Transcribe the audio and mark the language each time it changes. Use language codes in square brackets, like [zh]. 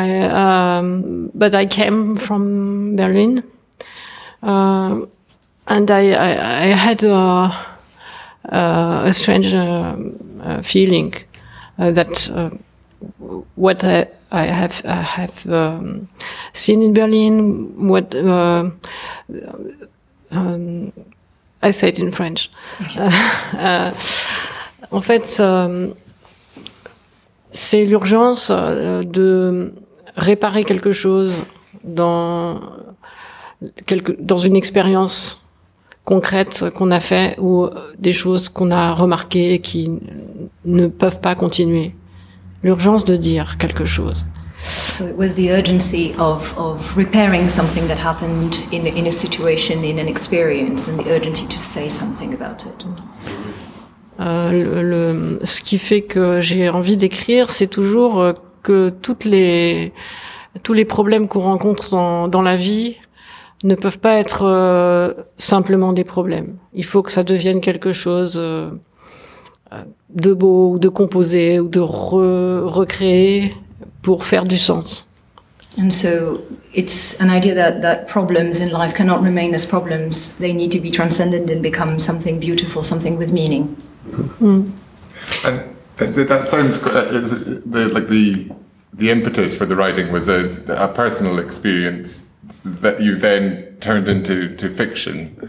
[en] But I came from Berlin, and I had a strange feeling that what I have seen in Berlin, what I said in French, [fr] En fait, c'est l'urgence de réparer quelque chose dans une expérience concrète qu'on a fait ou des choses qu'on a remarquées qui ne peuvent pas continuer. L'urgence de dire quelque chose. [en] So it was the urgency of repairing something that happened in a situation, in an experience, and the urgency to say something about it. [fr] Ce qui fait que j'ai envie d'écrire, c'est toujours que tous les problèmes qu'on rencontre dans la vie ne peuvent pas être simplement des problèmes. Il faut que ça devienne quelque chose de beau, ou de composé, ou de recréer. Pour faire du sens. [en] And so it's an idea that problems in life cannot remain as problems. They need to be transcended and become something beautiful, something with meaning. Mm. And that sounds the impetus for the writing was a personal experience that you then turned into fiction.